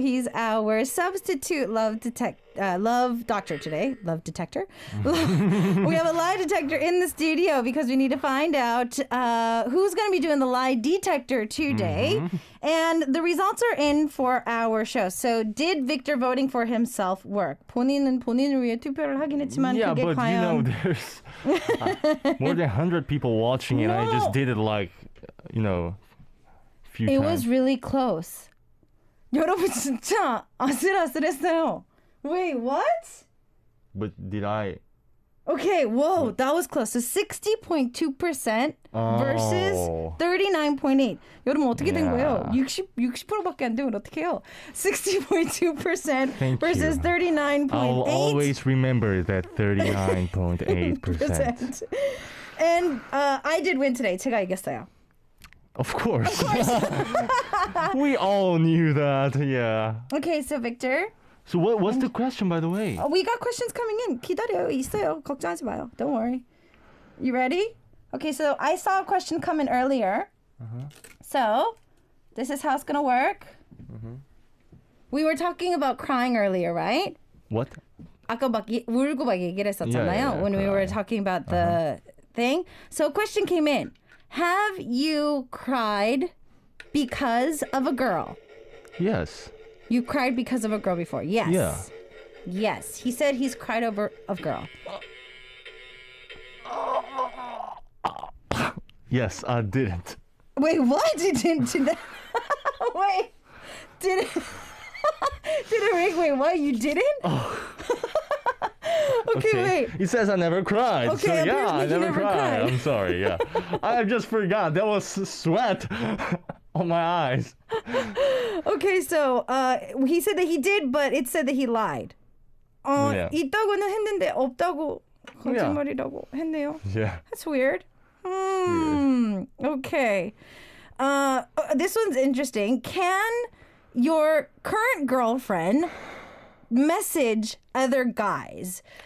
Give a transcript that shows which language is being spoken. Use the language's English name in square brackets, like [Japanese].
[English] He's our substitute love detector today. We have a lie detector in the studio because we need to find out who's going to be doing the lie detector today. Mm-hmm. And the results are in for our show. So did Victor voting for himself work? [Korean] 본인은 본인을 위해 투표를 하긴 했지만 [English] yeah, [Korean] 그게 [English] but [Korean] 과연... [English] you know, there's more than 100 people watching and I just did it like, you know, It times. Was really close. [Korean] 여러분 진짜 아슬아슬했어요. [English] Wait, what? But did I? Okay, whoa, what? That was close. So 60.2% versus 39.8. [Korean] 여러분 어떻게 된 거예요? 60%밖에 안 되면 어떻게 해요? [English] 60.2% versus 39.8. I'll always remember that 39.8%. And I did win today. [Korean] 제가 이겼어요. [English] Of course. We all knew that, yeah. Okay, so Victor. So what's the question, by the way? Oh, we got questions coming in. [Korean] 기다려요, 있어요. 걱정하지 마요. [English] Don't worry. You ready? Okay, so I saw a question come in earlier. Uh-huh. So this is how it's going to work. Uh-huh. We were talking about crying earlier, right? What? [Korean] 아까 막 울고 막 얘기를 했었잖아요. [English] Yeah, when we were talking about the thing. So a question came in. Have you cried because of a girl? Yes. You cried because of a girl before? Yes. Yeah. Yes. He said he's cried over a girl. Yes, I didn't. Wait, what? You didn't do that? Wait. Wait, what? You didn't? Okay, wait. It says I never cried. Okay, so yeah, I never cried. I'm sorry, yeah. I just forgot. There was sweat on my eyes. Okay, so he said that he did, but it said that he lied. [Korean] 있다고는 했는데 없다고 거짓말이라고 했네요. [English] Yeah. That's weird. Weird. Okay. This one's interesting. Can your current girlfriend message other guys?